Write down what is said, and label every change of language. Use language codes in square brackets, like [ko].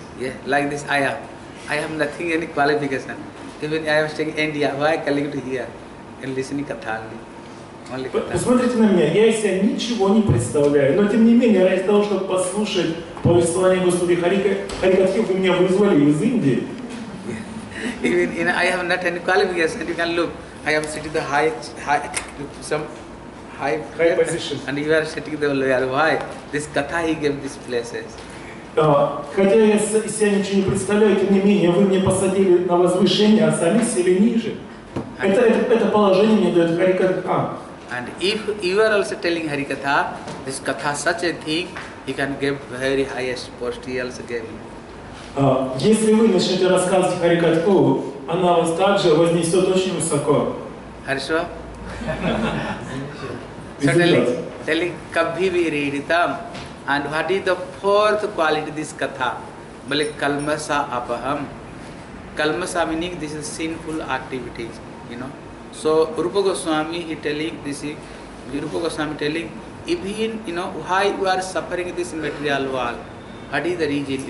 [en] Yeah, like this I am. I have nothing, any qualification. Even I am staying in India, why I calling to here and listening katha only? [ru] Посмотрите на меня, я из себя ничего не представляю, но тем не менее, ради того, чтобы послушать повествование Господи Харикатхи, вы меня вызвали из Индии. [en] Even in, I have not any qualification, you can look, I am sitting the high some high position, and you are sitting the lower. Why? This Katha he gave these places. [ru] Хотя я из себя ничего не представляю, тем не менее, вы мне посадили на возвышение, а сами сели ниже. Это положение мне дает Харикатха. [en] And if you are also telling Harikatha, this Katha such a thing, he can give very highest post, he also gave you. [ru] Если вы начнете рассказывать Харикатху, она вас также вознесет очень высоко. Хорошо? [en] So telling Kabhi Viriditam, and what is the fourth quality of this Katha? [sa] Bale Kalmasa Apaham. [en] Kalmasa meaning this is sinful activities, you know. So Rupa Goswami he telling this is Rupa Goswami telling even you know why you are suffering this material world. What is the reason?